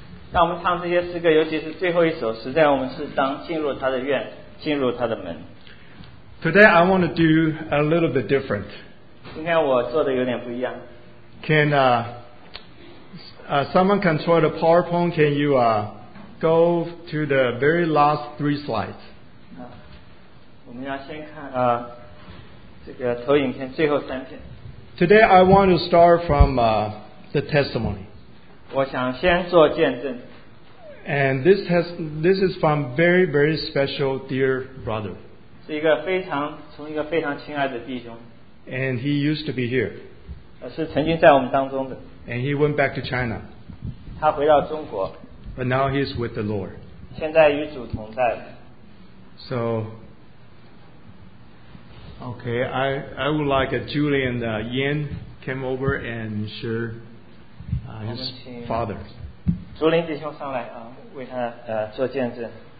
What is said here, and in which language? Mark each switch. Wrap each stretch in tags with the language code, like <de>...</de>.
<zh>当我们唱这些诗歌，尤其是最后一首，实在我们是当进入他的院，进入他的门。</zh> <en>Today I want to do a little bit different.</en> <zh>今天我做的有点不一样。</zh> <en>Can someone control the PowerPoint? Can you go to the very last three slides?</en> <zh>我们要先看这个投影片最后三片。</zh> <en>Today I want to start from the testimony.</en> <zh>我想先做见证。</zh> <en>And this is from very, very special dear brother.</en> <zh>是一个非常从一个非常亲爱的弟兄。</zh> <en>And he used to be here.</en> <zh>是曾经在我们当中的。</zh> <en>And he went back to China.</en> <zh>他回到中国。</zh> <en>But now he is with the Lord.</en> <zh>现在与主同在。</zh> <en>So, okay, I would like a Julian Yin came over and share his father.</en> <zh>竹林弟兄上来啊，为他做见证。</zh>